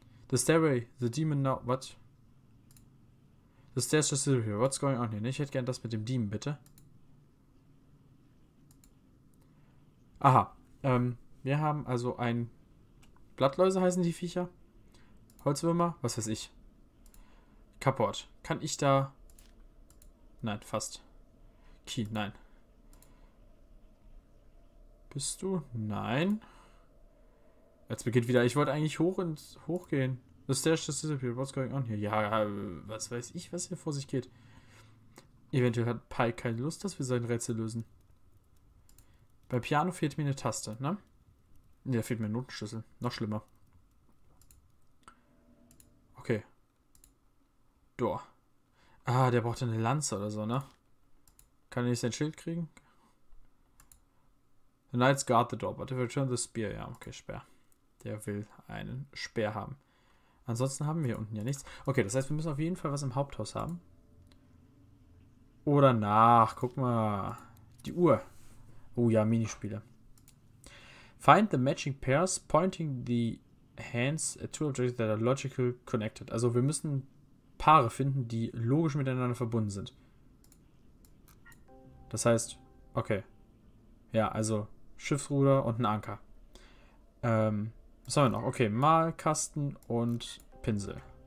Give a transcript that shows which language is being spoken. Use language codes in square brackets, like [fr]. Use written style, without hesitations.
[en] The Stairway, the Demon now. What? The Stairs just sit here. What's going on here? [de] Ich hätte gern das mit dem Demon, bitte. Aha. Wir haben also ein. Blattläuse heißen die Viecher. Holzwürmer, was weiß ich. Kaport. Kann ich da. Nein, fast. Key, nein. Bist du? Nein. Jetzt beginnt wieder. Ich wollte eigentlich hochgehen. [en] The stairs just disappeared. What's going on here? [de] Ja, was weiß ich, was hier vor sich geht. Eventuell hat Pike keine Lust, dass wir sein Rätsel lösen. Beim Piano fehlt mir eine Taste, ne? Ja, fehlt mir ein Notenschlüssel. Noch schlimmer. Okay. Doch. Ah, der braucht eine Lanze oder so, ne? Kann er nicht sein Schild kriegen? [en] The Knights guard the door, but if they return the spear. [de] Ja, okay, Speer. Der will einen Speer haben. Ansonsten haben wir hier unten ja nichts. Okay, das heißt, wir müssen auf jeden Fall was im Haupthaus haben. Oder nach, guck mal. Die Uhr. Oh ja, Minispiele. [en] Find the matching pairs pointing the hands at two objects that are logically connected. [de] Also wir müssen Paare finden, die logisch miteinander verbunden sind. Das heißt, okay. Ja, also Schiffsruder und ein Anker. Was haben wir noch? Okay, Malkasten und Pinsel.